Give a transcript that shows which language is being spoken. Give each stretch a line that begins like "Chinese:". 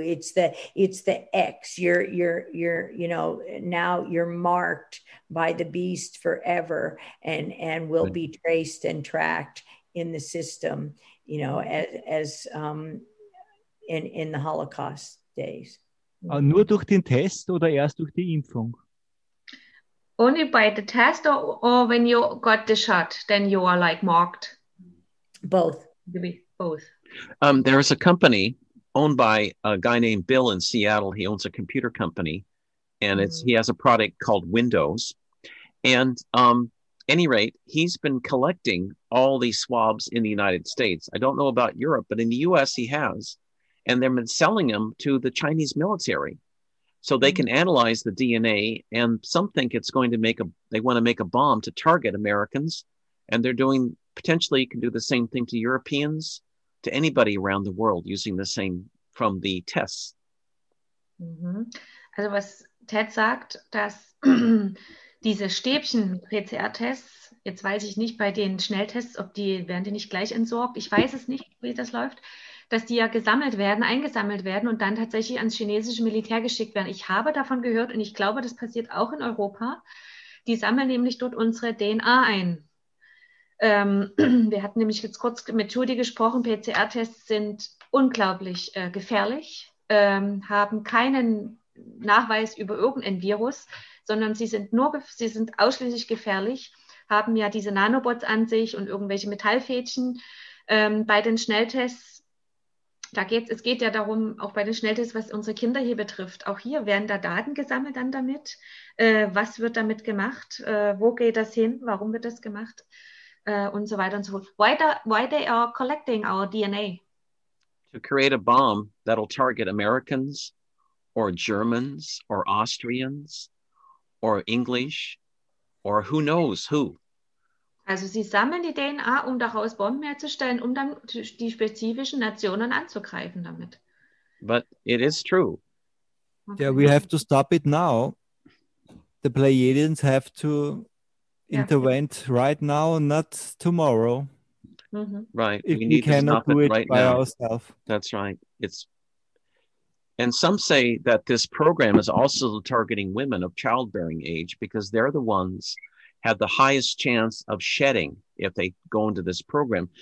English: It's the X. You're now you're marked by the beast forever and will be traced and tracked in the system, you know, as in the Holocaust days.
German: Nur durch den Test oder erst durch die Impfung?
English: Only by the test or when you got the shot, then you are like marked? Both. There is a company owned by a guy named Bill in Seattle. He owns a computer company and he has a product called Windows. And any rate, he's been collecting all these swabs in the United States. I don't know about Europe, but in the US he has. And they've been selling them to the Chinese military so they can analyze the DNA. And some think it's going to make a bomb to target Americans. And they're doing, potentially can do the same thing to Europeans, to anybody around the world, using the same from the tests.
German: Also was Ted sagt, dass diese Stäbchen PCR-Tests, jetzt weiß ich nicht bei den Schnelltests, ob die, werden die nicht gleich entsorgt? Ich weiß es nicht, wie das läuft. Dass die ja eingesammelt werden und dann tatsächlich ans chinesische Militär geschickt werden. Ich habe davon gehört und ich glaube, das passiert auch in Europa. Die sammeln nämlich dort unsere DNA ein. Wir hatten nämlich jetzt kurz mit Judy gesprochen, PCR-Tests sind unglaublich gefährlich, haben keinen Nachweis über irgendein Virus, sondern sie sind ausschließlich gefährlich, haben ja diese Nanobots an sich und irgendwelche Metallfädchen bei den Schnelltests. Es geht ja darum, auch bei den Schnelltests, was unsere Kinder hier betrifft. Auch hier werden da Daten gesammelt dann damit. Was wird damit gemacht? Wo geht das hin? Warum wird das gemacht? Und so weiter und so fort.
English: Why they are collecting our DNA? To create a bomb that'll target Americans or Germans or Austrians or English or who knows who.
German: Also sie sammeln die DNA, um daraus Bomben herzustellen, um dann die spezifischen Nationen anzugreifen damit.
English: But it is true. Yeah, we have to stop it now. The Pleiadians have to intervene right now, not tomorrow. Mm-hmm. Right. If we cannot do it right by ourselves. That's right. And some say that this program is also targeting women of childbearing age because they're the ones have the highest chance of shedding if they go into this program.